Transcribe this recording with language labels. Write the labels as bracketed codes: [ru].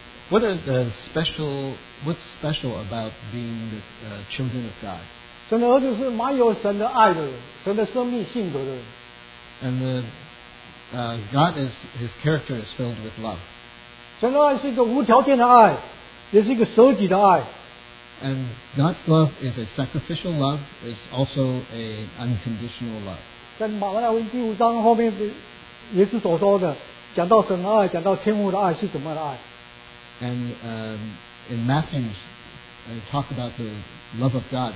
[en] What's special about being the children of God? [zh] 神的儿女是满有神的爱的人，神的生命性格的人。 [en] And God is, His character is filled with love. [zh] 神的爱是一个无条件的爱，也是一个舍己的爱。 [en] And God's love is a sacrificial love, is also an unconditional love. [zh] 在马太福音第五章后面， 耶稣所说的，讲到神的爱，讲到天父的爱是怎么样的爱 [en] ？And in Matthew's, talk about the love of God.